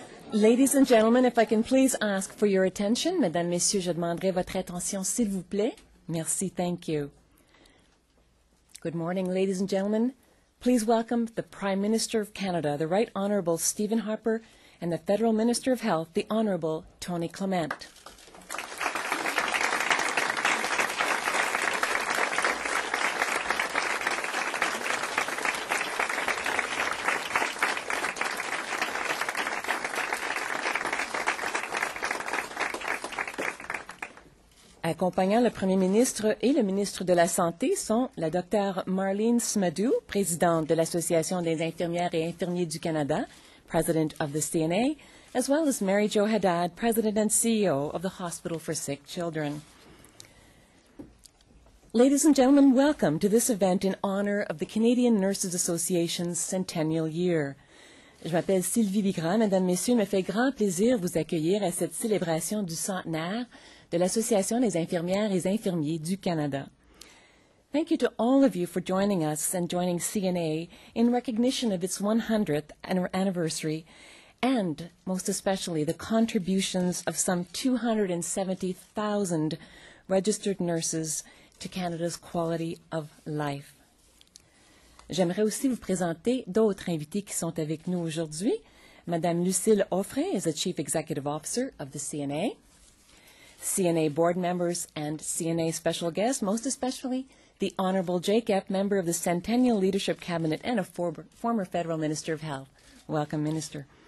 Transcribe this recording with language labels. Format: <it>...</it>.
<en>Ladies and gentlemen, if I can please ask for your attention.</en> <fr>Mesdames, Messieurs, je demanderai votre attention, s'il vous plaît.</fr> <en>Merci, thank you. Good morning, ladies and gentlemen. Please welcome the Prime Minister of Canada, the Right Honourable Stephen Harper, and the Federal Minister of Health, the Honourable Tony Clement.</en> <fr>Accompagnant le Premier ministre et le ministre de la Santé sont la Dr.</fr> <en>Marlene Smadou,</en> <fr>présidente de l'Association des infirmières et infirmiers du Canada,</fr> <en>president of the CNA, as well as Mary Jo Haddad, president and CEO of the Hospital for Sick Children. Ladies and gentlemen, welcome to this event in honor of the Canadian Nurses Association's centennial year.</en> <fr>Je m'appelle Sylvie Bigrand. Mesdames, Messieurs, me fait grand plaisir vous accueillir à cette célébration du centenaire de l'Association des infirmières et infirmiers du Canada.</fr> <en>Thank you to all of you for joining us and joining CNA in recognition of its 100th anniversary and, most especially, the contributions of some 270,000 registered nurses to Canada's quality of life.</en> <fr>J'aimerais aussi vous présenter d'autres invités qui sont avec nous aujourd'hui.</fr> <en>Madame Lucille Offray is the Chief Executive Officer of the CNA. CNA board members and CNA special guests, most especially the Honourable Jake Epp, member of the Centennial Leadership Cabinet and a former Federal Minister of Health. Welcome, Minister.</en>